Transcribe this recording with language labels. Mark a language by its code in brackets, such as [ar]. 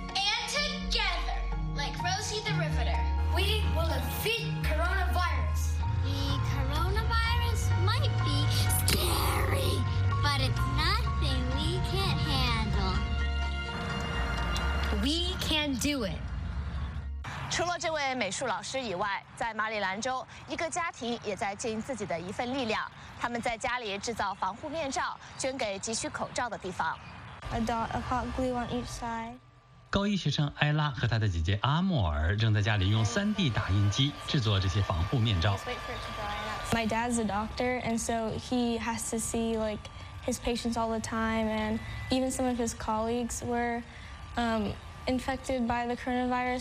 [en] And together, like Rosie the Riveter, we will defeat coronavirus. The coronavirus might be scary, but it's nothing we can't handle. We can do it. [zh] 除了这位美术老师以外，在马里兰州，一个家庭也在尽自己的一份力量。他们在家里制造防护面罩，捐给急需口罩的地方。 [en] A dot of hot glue on each side. [zh] 高一学生艾拉和她的姐姐阿莫尔正在家里用 3D 打印机制作这些防护面罩。 [en] My dad's a doctor, and so he has to see like his patients all the time, and even some of his colleagues were infected by the coronavirus.